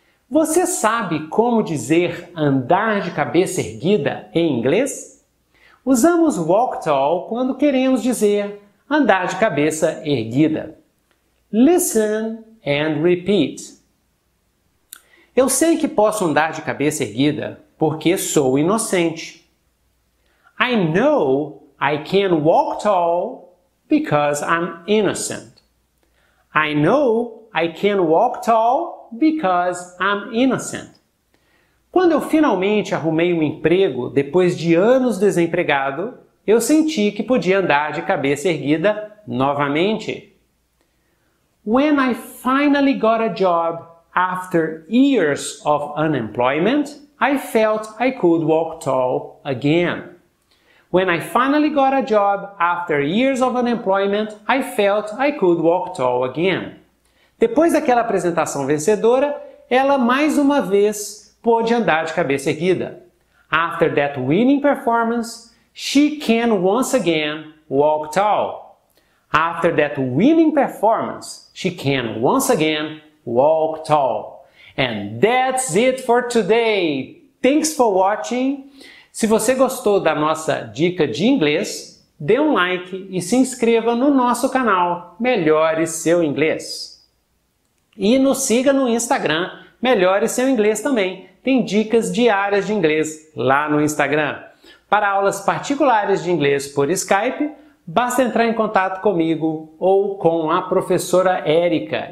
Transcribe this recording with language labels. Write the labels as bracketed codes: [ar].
[pt] Você sabe como dizer andar de cabeça erguida em inglês? Usamos walk tall quando queremos dizer andar de cabeça erguida. [en] Listen and repeat. [pt] Eu sei que posso andar de cabeça erguida porque sou inocente. [en] I know I can walk tall because I'm innocent. I know I can walk tall because I'm innocent. [pt] Quando eu finalmente arrumei um emprego depois de anos desempregado, eu senti que podia andar de cabeça erguida novamente. [en] When I finally got a job after years of unemployment, I felt I could walk tall again. When I finally got a job after years of unemployment, I felt I could walk tall again. [pt] Depois daquela apresentação vencedora, ela mais uma vez pôde andar de cabeça erguida. [en] After that winning performance, she can once again walk tall. After that winning performance, she can once again walk tall. And that's it for today. Thanks for watching. [pt] Se você gostou da nossa dica de inglês, dê um like e se inscreva no nosso canal Melhore Seu Inglês. E nos siga no Instagram Melhore Seu Inglês também. Tem dicas diárias de inglês lá no Instagram. Para aulas particulares de inglês por Skype, basta entrar em contato comigo ou com a professora Erika.